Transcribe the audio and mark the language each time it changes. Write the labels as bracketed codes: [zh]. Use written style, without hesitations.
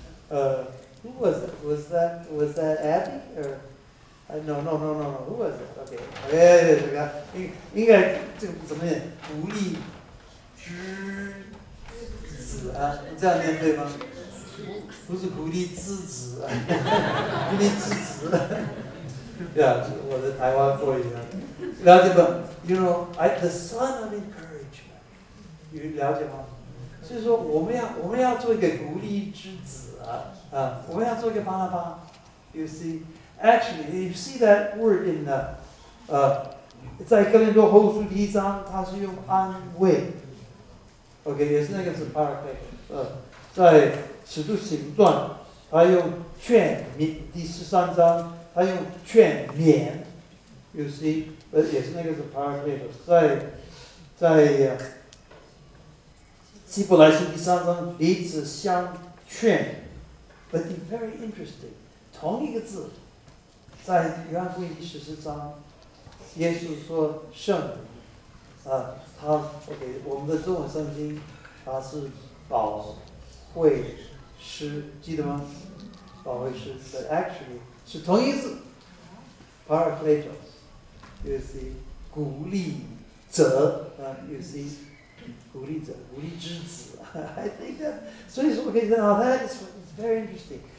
[en] Who was it? Was that Abby or？ No. Who was it? Okay. [zh] 哎，怎么样？应该这个怎么念？鼓励之子啊，这样念对吗？不是鼓励之子，鼓励之子。对啊，我的台湾国语啊，了解吗 ？ [en] You know, I the son of encouragement. [zh] 你了解吗？所以说我们要做一个鼓励之子啊，我们要做一个巴拿巴。 [en] You see. Actually, you see that word in the, [zh] 在哥林多后书第一章，它是用安慰。 OK， 也是那个字 ，parakletos。在使徒行传，它用劝勉，第十三章，它用劝勉。 [en] You see， [zh] 也是那个字 ，parakletos。在希伯来书第三章，彼此相劝。 [en] But it's very interesting， [zh] 同一个字。在约翰福音第十四章，耶稣说：“圣灵，啊，他 OK， 我们的中文圣经，它是保惠师，记得吗？保惠师 ， [en] but actually [zh] 是同义字 ，paracletos， [en] you see， [zh] 鼓励者，啊 ，you see， 鼓励者，鼓励之子 ， [en] I think that， [zh] 所以说我可以看到 ， [en] that is it's very interesting。